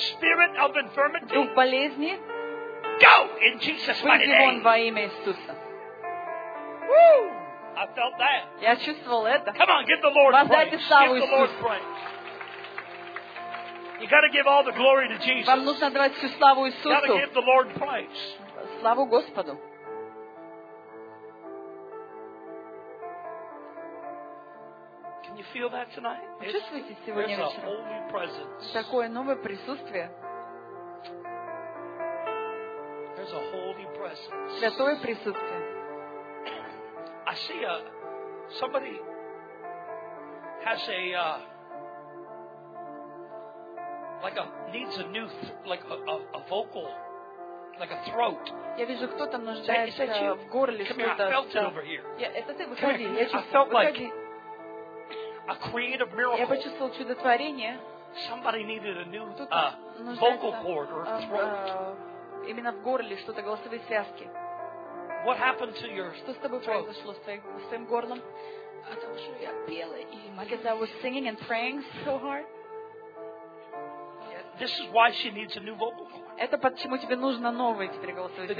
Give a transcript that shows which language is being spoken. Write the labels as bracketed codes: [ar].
[en] Spirit of infirmity. [ru] Дух болезни. [en] Go in Jesus' mighty name. [ru] Выйди вон во имя Иисуса. [en] Woo! I felt that. [ru] Я чувствовал это. [en] Come on, give the Lord praise. [ru] Воздайте славу Иисусу. [en] You got to give all the glory to Jesus. [ru] Вам нужно давать всю славу Иисусу. [en] You got to give the Lord praise. [ru] Славу Господу. [en] Can you feel that tonight? [ru] Чувствуете сегодня вечером? Такое новое присутствие. [en] There's a holy presence. [ru] Святое присутствие. [en] I see a somebody has a like a needs a new like a vocal like a throat. [ru] Я вижу, кто-то нуждается в горле что-то. [en] I felt it over here. [ru] Я это ты выходи. Я чувствовал. [en] I felt like a creative miracle. [ru] Я почувствовал чудотворение. [en] Somebody needed a new vocal cord or throat. [ru] Именно в горле что-то голосовые связки. [en] What happened to your [ru] Что с тобой произошло с твоим горлом? Потому что я пела и молилась. [en] Because I was singing and praying so hard. This is why she needs a new vocal cord. [ru] Это почему тебе нужно новый теперь голосовой связки.